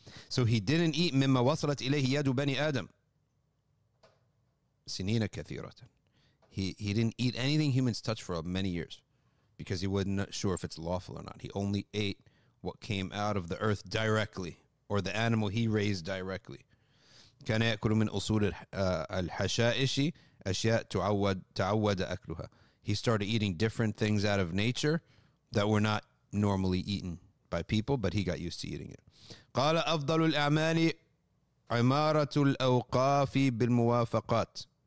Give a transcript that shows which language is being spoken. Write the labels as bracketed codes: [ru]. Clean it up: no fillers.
[en] So he didn't eat [ar] mimma wasalat ilayhi yadu bani adam. Sinina kathiratan. [en] He didn't eat anything humans touched for many years because he wasn't sure if it's lawful or not. He only ate what came out of the earth directly or the animal he raised directly. [ar] كان يأكل من أصول الحشائش أشياء تعود أكلها. [en] He started eating different things out of nature that were not normally eaten by people, but he got used to eating it. [ar] قال أفضل الأعمال عمارة الأوقاف بالموافقات.